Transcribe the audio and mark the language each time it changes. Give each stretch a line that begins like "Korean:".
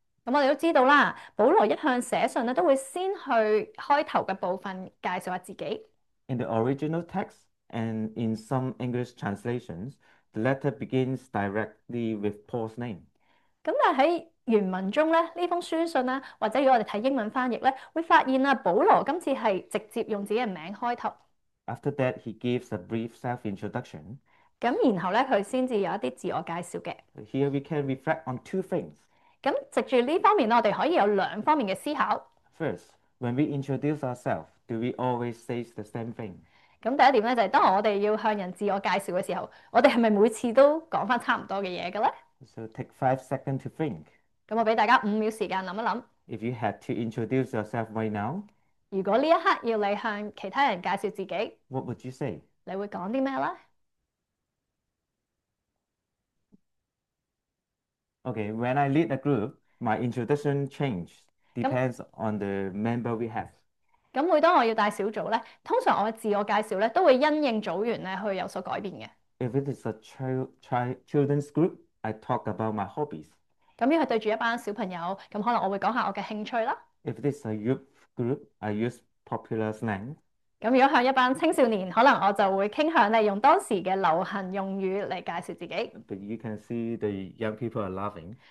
Cantonese: 咁我哋都知道啦，保罗一向写信咧，都会先去开头嘅部分介绍下自己。
English: In the original text and in some English translations, the letter begins directly with Paul's name.
Cantonese: 咁但喺原文中咧，呢封书信咧，或者如果我哋睇英文翻译咧，会发现啊，保罗今次系直接用自己嘅名开头。
English: After that, he gives a brief self-introduction.
Cantonese: 咁然後咧，佢先至有一啲自我介紹嘅。
English: Here we can reflect on two things.
Cantonese: 咁藉住呢方面咧，我哋可以有兩方面嘅思考。
English: First, when we introduce ourselves, do we always say the same thing?
Cantonese: 咁第一點咧，就係當我哋要向人自我介紹嘅時候，我哋係咪每次都講翻差唔多嘅嘢嘅咧？
English: So take 5 seconds to think.
Cantonese: 咁我俾大家5秒時間諗一諗。
English: If you had to introduce yourself right now,
Cantonese: 如果呢一刻要你向其他人介紹自己，
English: what would you say?
Cantonese: 你會講啲咩咧？
English: Okay, when I lead a group, my introduction changes, depends on the member we have.
Cantonese: 咁每当我要带小组咧，通常我嘅自我介绍咧都会因应组员咧去有所改变嘅。
English: If it is a children's group, I talk about my hobbies.
Cantonese: 咁要系对住一班小朋友，咁可能我会讲下我嘅兴趣啦。
English: If it is a youth group, I use popular slang.
Cantonese: 咁如果向一班青少年，可能我就会倾向咧用当时嘅流行用语嚟介绍自己。
English: But you can see the young people are laughing.